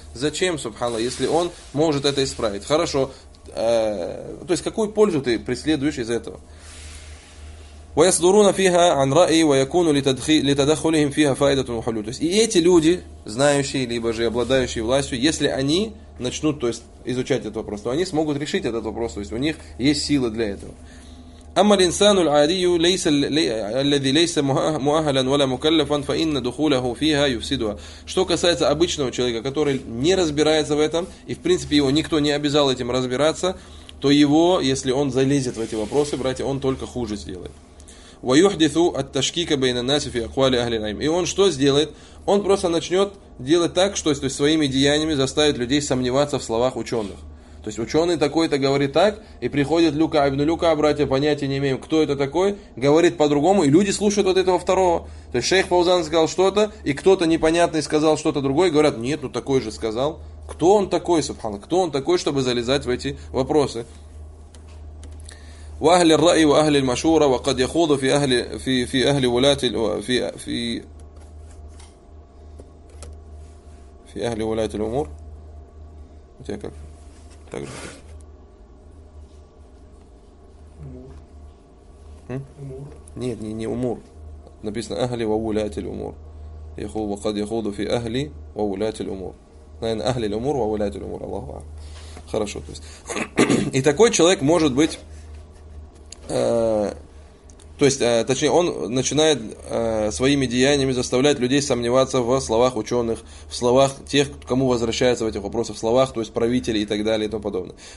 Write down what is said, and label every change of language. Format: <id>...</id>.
<ru>Зачем, субхана, если он может это исправить? Хорошо. То есть, какую пользу ты преследуешь из этого?</ru> <ar>وَيَصْدُرُونَ فِيهَا عَنْ رَأِي وَيَكُونُ لِتَدَخُلِهِمْ فِيهَا فَائِدَةٌ وَحُلُّ.</ar> <ru>То есть, и эти люди, знающие, либо же обладающие властью, если они начнут, то есть, изучать этот вопрос, то они смогут решить этот вопрос, то есть, у них есть силы для этого.</ru> <ar>أما الإنسان العادي ليس الذي ليس مؤهلا ولا مكلفا فإن دخوله فيها يفسدها.</ar> <ru>Что касается обычного человека, который не разбирается в этом, и в принципе его никто не обязал этим разбираться, то его, если он залезет в эти вопросы, братья, он только хуже сделает.</ru> <ar>ويحدث التشكيك بين الناس في أقوال أهل العلم.</ar> <ru>И он что сделает? Он просто начнет делать так, что то есть своими деяниями заставит людей сомневаться в словах ученых. То есть ученый такой-то говорит так, и приходит Люка ибн Люка, братья, понятия не имеем, кто это такой, говорит по-другому, и люди слушают вот этого второго. То есть шейх Фаузан сказал что-то, и кто-то непонятный сказал что-то другое, и говорят, нет, ну такой же сказал. Кто он такой, субхан, кто он такой, чтобы залезать в эти вопросы?</ru> <ar>وأهل الرأي وأهل المشورة وقد يخوض في أهل في في أهل ولاة في في في أهل ولاة الأمور.</ar> <ru>Нет, не не умур. Написано</ru> <ar>أهل وولاة الأمور. يخوض وقد يخوض في أهل وولاة الأمور.</ar> <ru>Наверное,</ru> <ar>أهل الأمور وولاة الأمور. الله أعلم.</ar> <ru>Хорошо, то есть. И такой человек может быть. То есть, точнее, он начинает своими деяниями заставлять людей сомневаться в словах ученых, в словах тех, кому возвращается в этих вопросах, в словах, то есть правителей и так далее и тому подобное.</ru>